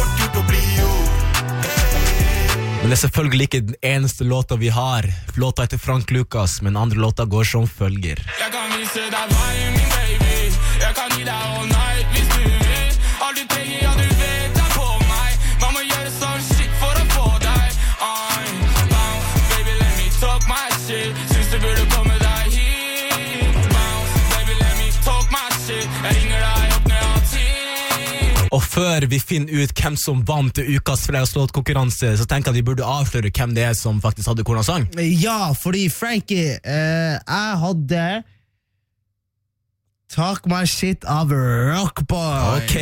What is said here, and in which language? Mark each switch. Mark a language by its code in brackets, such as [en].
[no] Det er selvfølgelig ikke den eneste låta vi har. Låta heter Frank Lucas, men andre låta går som følger. Jeg kan vise deg veien, min baby. Jeg kan gi deg [en] all night [no] hvis du vil. Alt du trenger, ja, du vet deg på meg. Man må gjøre sånn shit for å få deg. [en] I'm bounce, baby, let me talk my shit. [no] Synes du burde komme deg hit. [en] Bounce, baby, let me talk my shit. [no] Jeg ringer deg opp med all tid. Og før vi finner ut hvem som vant til ukas fredagslåt konkurranse, så tenker jeg at vi burde avsløre hvem det er som faktisk hadde hvordan sang. Ja, fordi Frankie, jeg hadde Talk My Shit av Rock Boys.